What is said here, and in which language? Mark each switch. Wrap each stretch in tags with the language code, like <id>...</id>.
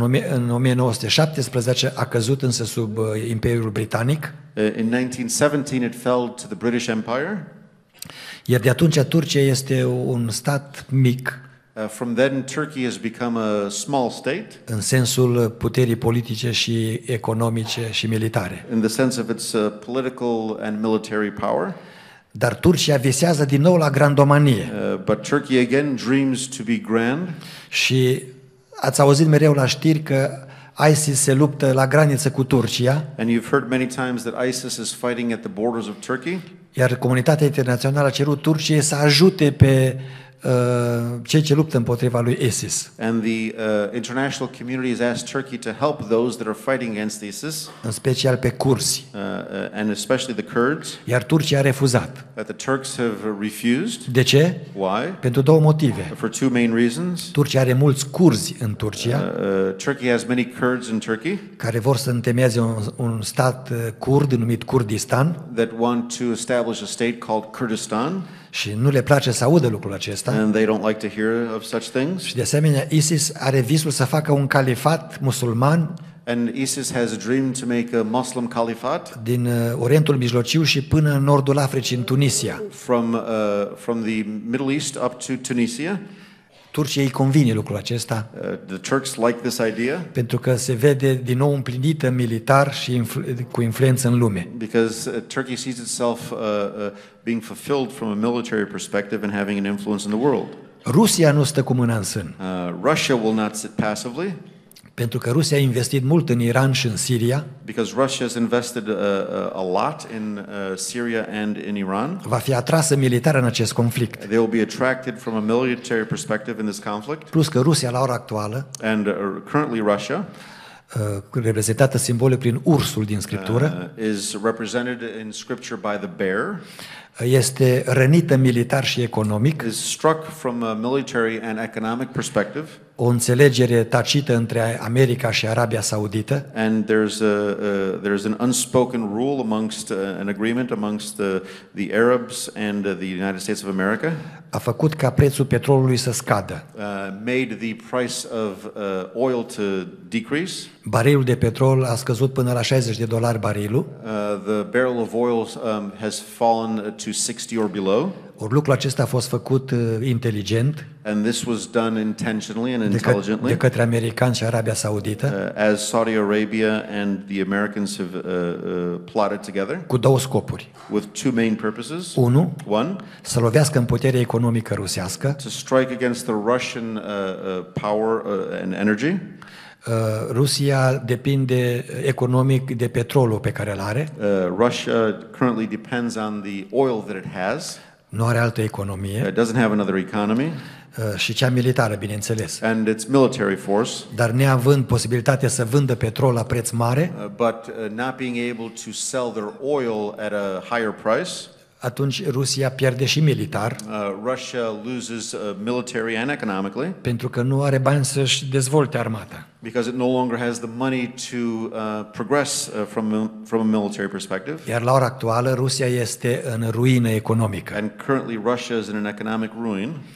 <ro>În 1917 a căzut însă sub Imperiul Britanic.</ro> <en>In 1917 it fell to the British Empire.</en> <ro>Iar de atunci Turcia este un stat mic.</ro> <en>From then Turkey has become a small state.</en> <ro>În sensul puterii politice și economice și militare.</ro> <en>In the sense of its political and military power.</en> <ro>Dar Turcia visează din nou la grandomanie.</ro> <en>But Turkey again dreams to be grand.</en> <ro>Și ați auzit mereu la știri că ISIS se luptă la graniță cu Turcia.</ro> <en>And you've heard many times that ISIS is fighting at the borders of Turkey.</en> <ro>Iar comunitatea internațională a cerut Turciei să ajute pe cei ce luptă împotriva lui ISIS.</ro> <en>And the international community has asked Turkey to help those that are fighting against ISIS.</en> <ro>În special pe curzi.</ro> <en>And especially the Kurds.</en> <ro>Iar Turcia a refuzat.</ro> <en>But the Turks have refused.</en> <ro>De ce?</ro> <en>Why?</en> <ro>Pentru două motive.</ro> <en>For two main reasons.</en> <ro>Turcia are mulți curzi în Turcia.</ro> <en>Turkey has many Kurds in Turkey.</en> <ro>Care vor să întemeieze un stat curd numit Kurdistan.</ro> <en>That want to establish a state called Kurdistan.</en> <ro>Și nu le place să audă lucrul acesta.</ro> <en>And they don't like to hear of such things.</en> <ro>Și de asemenea, ISIS are visul să facă un califat musulman.</ro> <en>And ISIS has a dream to make a Muslim caliphate.</en> <ro>Din Orientul Mijlociu și până în nordul Africii, în Tunisia.</ro> <en>From the Middle East up to Tunisia.</en> <ro>Turcia îi convine lucrul acesta.</ro> <en>The Turks like this idea.</en> <ro>Pentru că se vede din nou împlinită militar și cu influență în lume.</ro> <en>Because Turkey sees itself being fulfilled from a military perspective and having an influence in the world.</en> <ro>Rusia nu stă cu mâna în sân.</ro> <en>Russia will not sit passively.</en> <ro>Pentru că Rusia a investit mult în Iran și în Siria.</ro> <en>Because Russia has invested a lot in Syria and in Iran.</en> <ro>Va fi atrasă militar în acest conflict.</ro> <en>They will be attracted from a military perspective in this conflict.</en> <ro>Plus că Rusia la ora actuală,</ro> <en>and currently Russia,</en> <ro>reprezentată simbolic prin ursul din Scriptură,</ro> <en>is represented in Scripture by the bear.</en> <ro>Este rănită militar și economic.</ro> <en>Is struck from a military and economic perspective.</en> <ro>O înțelegere tacită între America și Arabia Saudită.</ro> <en>And there's an unspoken rule amongst an agreement amongst the Arabs and the United States of America.</en> <ro>A făcut ca prețul petrolului să scadă.</ro> <en>Made the price of oil to decrease.</en> <ro>Barilul de petrol a scăzut până la $60 barilul.</ro> <en>The barrel of oil has fallen to 60 or below.</en> <ro>Ori lucrul acesta a fost făcut inteligent.</ro> <en>And this was done intentionally and intelligently.</en> <ro>De către americani și Arabia Saudită.</ro> <en>As Saudi Arabia and the Americans have plotted together.</en> <ro>Cu două scopuri.</ro> <en>With two main purposes.</en> <ro>Unu.</ro> <en>One.</en> <ro>Să lovească în puterea economică rusească.</ro> <en>To strike against the Russian power and energy.</en> <ro>Rusia depinde economic de petrolul pe care îl are.</ro> <en>Russia currently depends on the oil that it has.</en> <ro>Nu are altă economie.</ro> <en>It doesn't have another economy.</en> <ro>Și cea militară, bineînțeles.</ro> <en>And its military force.</en> <ro>Dar neavând posibilitatea să vândă petrol la preț mare,</ro> <en>but not being able to sell their oil at a higher price.</en> <ro>Atunci Rusia pierde și militar.</ro> <en>Russia loses military and economically.</en> <ro>Pentru că nu are bani să-și dezvolte armata.</ro> <en>Because it no longer has the money to progress from a military perspective.</en> <ro>Iar la ora actuală Rusia este în ruină economică.</ro> <en>And currently Russia is in an economic ruin.</en>